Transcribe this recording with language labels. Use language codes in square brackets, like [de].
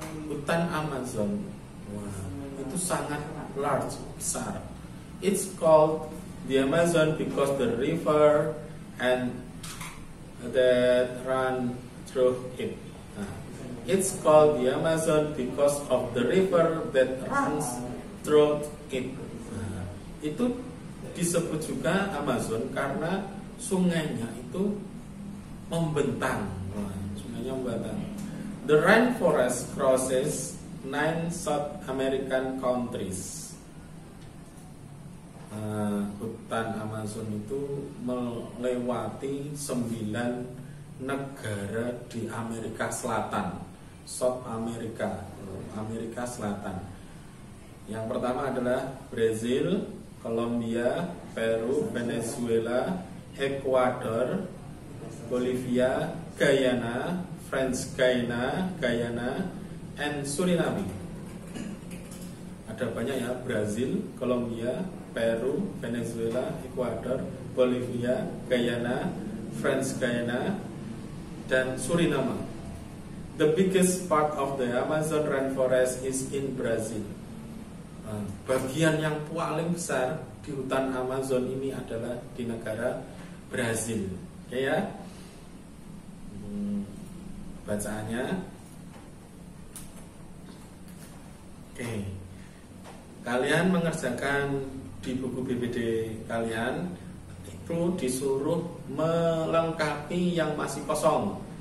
[id] Hutan Amazon, wow, itu sangat large, besar. [en] It's called the Amazon because the river and that run through it. It's called the Amazon because of the river that runs throughout it. [id] Itu disebut juga Amazon karena sungainya itu membentang. Sungainya membentang. [en] The rainforest crosses 9 South American countries. [id] Hutan Amazon itu melewati 9 negara di Amerika Selatan. South America, Amerika Selatan. Yang pertama adalah Brazil, Kolombia, Peru, Venezuela, Ekuador, Bolivia, Guyana, French Guiana, Guyana, and Suriname. Ada banyak ya, Brazil, Kolombia, Peru, Venezuela, Ekuador, Bolivia, Guyana, French Guiana, dan Suriname. [en] The biggest part of the Amazon rainforest is in Brazil. [id] Bagian yang paling besar di hutan Amazon ini adalah di negara Brazil. Oke ya. Bacaannya. Oke. Kalian mengerjakan di buku BPD kalian itu disuruh melengkapi yang masih kosong.